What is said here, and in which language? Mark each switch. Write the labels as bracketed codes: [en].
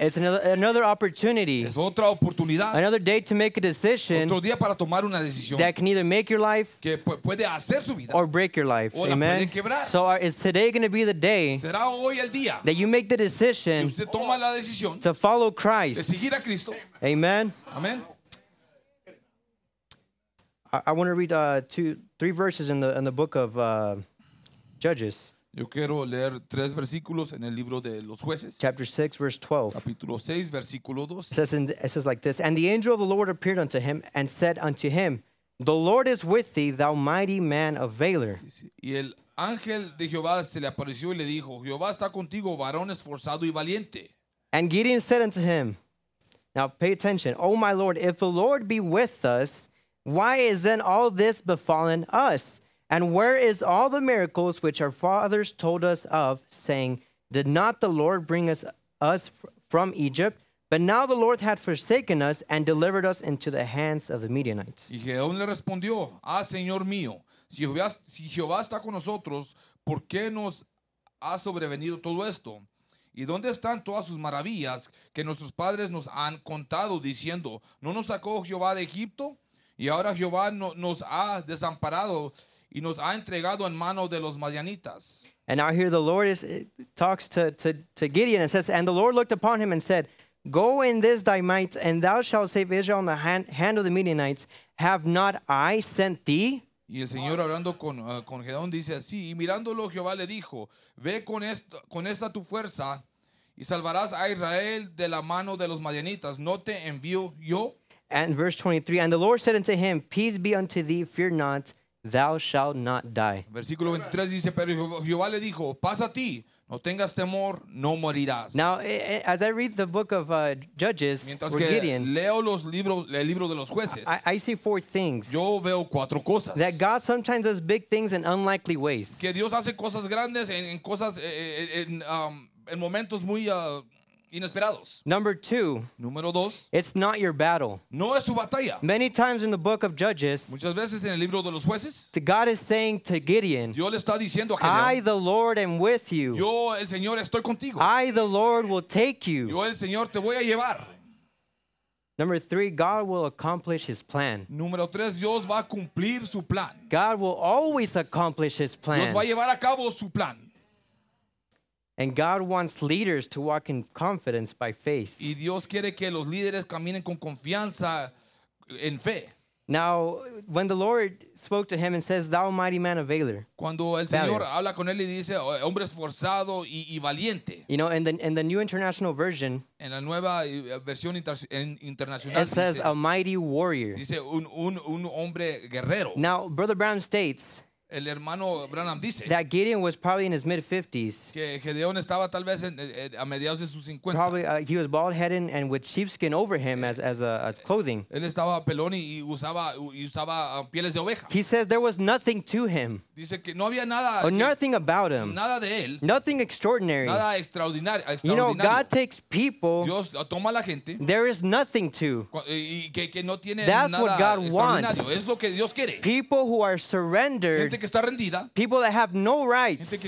[en] It's another opportunity. [es] Es otra oportunidad. [en] Another day to make a decision. [es] Otro día para tomar una decisión [en] that can either make your life [es] que puede hacer su vida, [en] or break your life. [es] O amen. La puede quebrar. [en] So is today going to be the day [es] será hoy el día [en] that you make the decision [es] que usted toma la decisión [en] to follow Christ? [es] De seguir a Cristo. Amen. Amen. [en] I want to read three verses in the book of Judges. [es] Yo quiero leer tres versículos en el libro de los jueces. [en] Chapter 6, verse 12. [es] Capítulo 6, versículo 12. [en] It says like this, and the angel of the Lord appeared unto him and said unto him, the Lord is with thee, thou mighty man of valor. Y el ángel de Jehová se le apareció y le dijo, Jehová está contigo, varón esforzado y valiente. And Gideon said unto him, now pay attention, oh my Lord, if the Lord be with us, why is then all this befallen us? And where is all the miracles which our fathers told us of, saying, did not the Lord bring us from Egypt? But now the Lord hath forsaken us and delivered us into the hands of the Midianites. [es] Y Gedeón le respondió, ah, Señor mío, si Jehová está con nosotros, ¿por qué nos ha sobrevenido todo esto? ¿Y dónde están todas sus maravillas que nuestros padres nos han contado, diciendo, ¿no nos sacó Jehová de Egipto? Y ahora Jehová no, nos ha desamparado y nos ha entregado en mano de los madianitas. [en] And now here the Lord talks to Gideon and says, and the Lord looked upon him and said, go in this thy might, and thou shalt save Israel in the hand of the Midianites. Have not I sent thee? [es] Y el Señor hablando con Gedeón dice así, y mirándolo Jehová le dijo, ve con esta tu fuerza y salvarás a Israel de la mano de los madianitas. ¿No te envío yo? [en] And verse 23, and the Lord said unto him, peace be unto thee, fear not, thou shalt not die. [es] Versículo 23 dice, pero Jehová le dijo, paz a ti, no tengas temor, no morirás. [en] Now, as I read the book of Judges, [es] mientras [en] or Gideon, [es] leo los libros, el libro de los jueces, [en] I see four things. [es] Yo veo cuatro cosas. [en] That God sometimes does big things in unlikely ways. [es] Que Dios hace cosas grandes en cosas, en momentos muy... inesperados. [en] Number two. [es] Número dos. [en] It's not your battle. [es] No es su batalla. [en] Many times in the book of Judges. [es] Muchas veces en el libro de los jueces. [en] God is saying to Gideon. [es] Dios le está diciendo a Gideon. [en] I, the Lord, am with you. [es] Yo, el Señor, estoy contigo. [en] I, the Lord, will take you. [es] Yo, el Señor, te voy a llevar. [en] Number three. God will accomplish his plan. [es] Número tres. Dios va a cumplir su plan. [en] God will always accomplish his plan. [es] Dios va a llevar a cabo su plan. [en] And God wants leaders to walk in confidence by faith. [es] Y Dios quiere que los líderes caminen con confianza en fe. [en] Now, when the Lord spoke to him and says, "Thou mighty man of valor." [es] Cuando el Señor habla con él y dice, hombre esforzado y valiente. [en] You know, in the New International Version. [es] En la nueva versión internacional. [en] It says a mighty warrior. [es] Dice un hombre guerrero. [en] Now, Brother Brown states. [es] El hermano Branham dice. [en] That Gideon was probably in his mid-50s. [es] Que Gedeón estaba tal vez a mediados de sus 50. [en] Probably he was bald-headed and with sheepskin over him as clothing. [es] Él estaba pelón y usaba pieles de oveja. [en] He says there was nothing to him. [es] Dice que no había nada. [en] Nothing about him. [es] Nada de él. [en] Nothing extraordinary. [es] Nada extraordinario. [en] You know, God takes people. [es] Dios toma la gente. [en] There is nothing to. [es] Y que no tiene. [en] That's [es] nada [en] what God wants. [es] Es lo que Dios quiere. [en] People who are surrendered. People that have no rights.